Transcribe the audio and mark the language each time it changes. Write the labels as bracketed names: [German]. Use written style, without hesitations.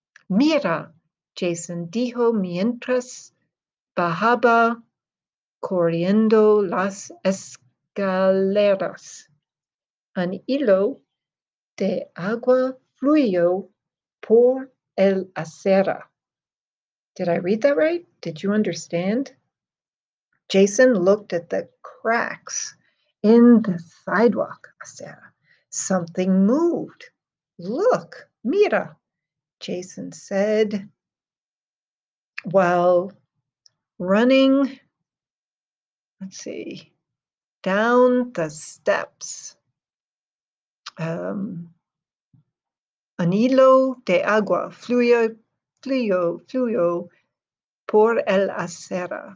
[Spanish] Mira, Jason dijo mientras bajaba corriendo las escaleras. Un hilo de agua fluyó por el acera. [English] Did I read that right? Did you understand? Jason looked at the cracks in the sidewalk. Something moved. Look, mira, Jason said, while running, down the steps. [Spanish] Un hilo de agua fluyó por el acera.